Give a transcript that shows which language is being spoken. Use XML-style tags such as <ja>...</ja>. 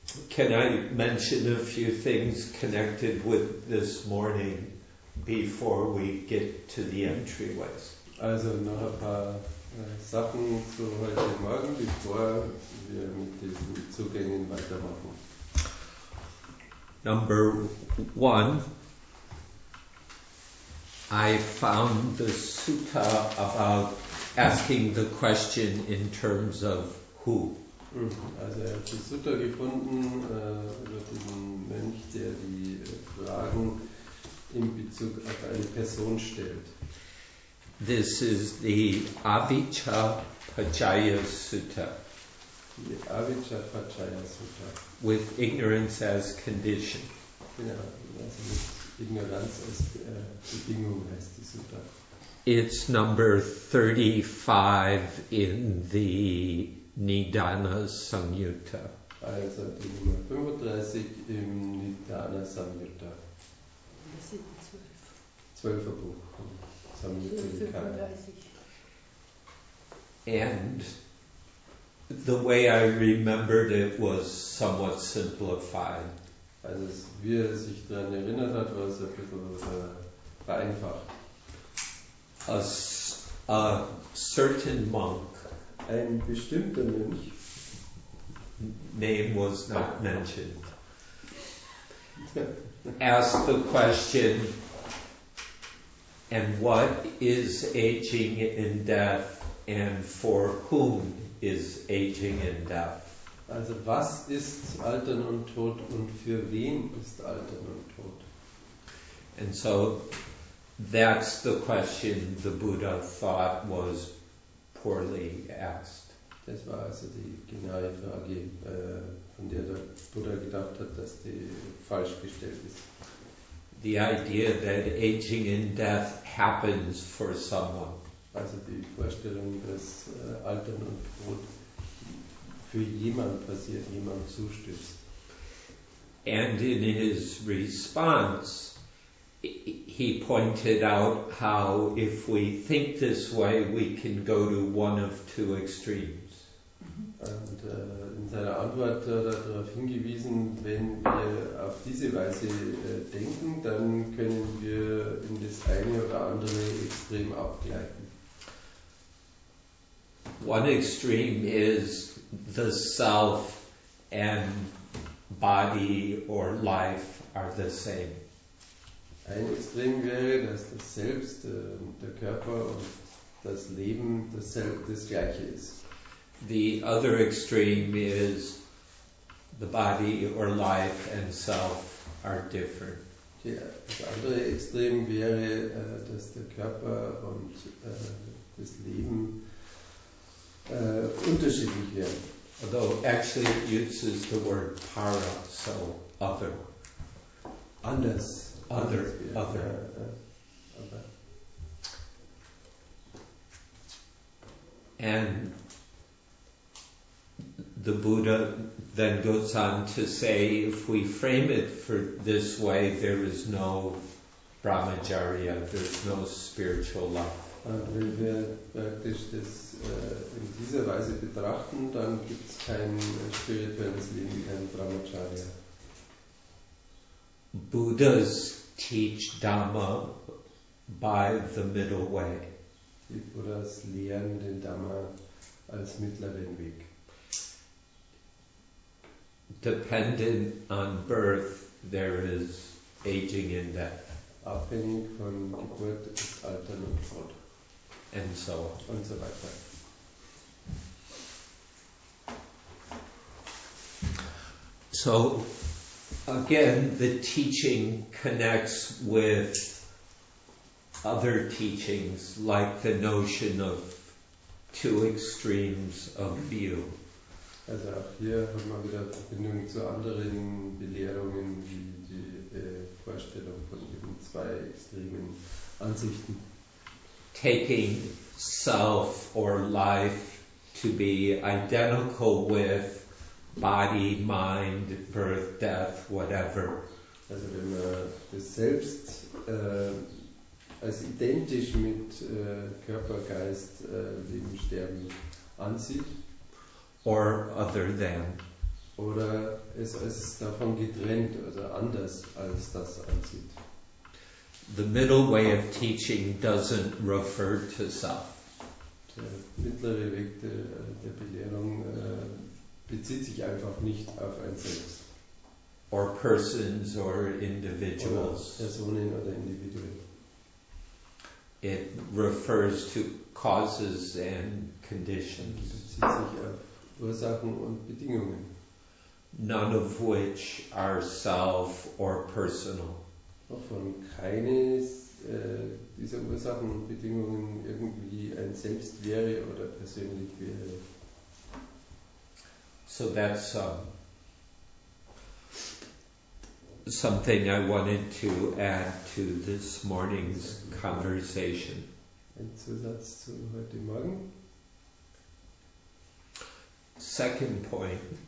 <en>Can I mention a few things connected with this morning before we get to the entryways?</en> <de>Also noch ein paar Sachen zu heute Morgen, bevor wir mit diesen Zugängen weitermachen.</de> <en>Number one, I found the sutta about asking the question in terms of who.</en> <de>Also ich habe die Sutta gefunden über diesen Mensch, der die Fragen in Bezug auf eine Person stellt.</de> <en>This is the Avicca Pachaya Sutta. The Avicca Pachaya Sutta. With ignorance as condition.</en> <de>Genau, also mit Ignoranz als Bedingung heißt die Sutta.</de> <en>It's number 35 in the Nidana Samyutta.</en> <de>Also die Nummer 35 im Nidana Samyutta. Das sind 12. 12er Buch. Samyutta Nikaya.</de> <en>And the way I remembered it was somewhat simplified.</en> <de>Also wie er sich daran erinnert hat, war es ein bisschen vereinfacht.</de> <en>A certain monk.</en> <de>Ein bestimmter Mönch.</de> <en>Name was not mentioned. Asked the question, and what is aging and death, and for whom is aging and death?</en> <de>Also was ist Altern und Tod und für wen ist Altern und Tod?</de> <en>And so that's the question the Buddha thought was poorly asked.</en> <de>Das war also die geniale Frage, von der der Buddha gedacht hat, dass die falsch gestellt ist.</de> <en>The idea that aging and death happens for someone.</en> <de>Also die Vorstellung, dass Altern und Tod für jemand passiert, jemand zustößt.</de> <en>And in his response, he pointed out how if we think this way, we can go to one of two extremes.</en> <de>Und in seiner Antwort hat er darauf hingewiesen, wenn wir auf diese Weise denken, dann können wir in das eine oder andere Extrem abgleiten.</de> <en>One extreme is the self and body or life are the same.</en> <de>Ein Extrem wäre, dass das Selbst, der Körper und das Leben das Gleiche ist.</de> <en>The other extreme is the body or life and self are different.</en> <de>Ja, das andere Extrem wäre, dass der Körper und das Leben unterschiedlich wären.</de> <en>Although actually it uses the word para, so other.</en> <de>Anders.</de> <en>Other. Yeah. Other. And the Buddha then goes on to say, if we frame it for this way, there is no brahmacharya, there's no spiritual life.</en> <de>Und wenn wir praktisch das in dieser Weise betrachten, dann gibt es kein spirituelles Leben, kein Brahmacharya.</de> <en>Buddhas teach Dhamma by the middle way.</en> <de>Die Buddhas lehren den Dhamma als mittleren Weg.</de> <en>Dependent on birth, there is aging and death.</en> <de>Abhängig von Geburt ist Altern und Tod.</de> <en>And so on.</en> <de>Und so weiter.</de> <en>So again, the teaching connects with other teachings, like the notion of two extremes of view.</en> <de>Also auch hier hat man wieder Verbindung zu anderen Belehrungen, wie die Vorstellung von eben zwei extremen Ansichten.</de> <en>Taking self or life to be identical with body, mind, birth, death, whatever.</en> <de>Also wenn man das Selbst als identisch mit Körper, Geist, Leben, Sterben ansieht.</de> <en>Or other than.</en> <de>Oder es ist davon getrennt, also anders als das ansieht.</de> <en>The middle way of teaching doesn't refer to self.</en> <de>Der mittlere Weg der Belehrung bezieht sich einfach nicht auf ein Selbst.</de> <en>Or persons or individuals.</en> <de>Oder Personen oder Individuen.</de> <en>It refers to causes and conditions.</en> <de>Es bezieht sich auf Ursachen und Bedingungen.</de> <en>None of which are self or personal.</en> <de>Wovon keines dieser Ursachen und Bedingungen irgendwie ein Selbst wäre oder persönlich wäre.</de> <en>So that's something I wanted to add to this morning's conversation.</en> <de>Ein Zusatz zu heute Morgen.</de> <en>Second point,</en>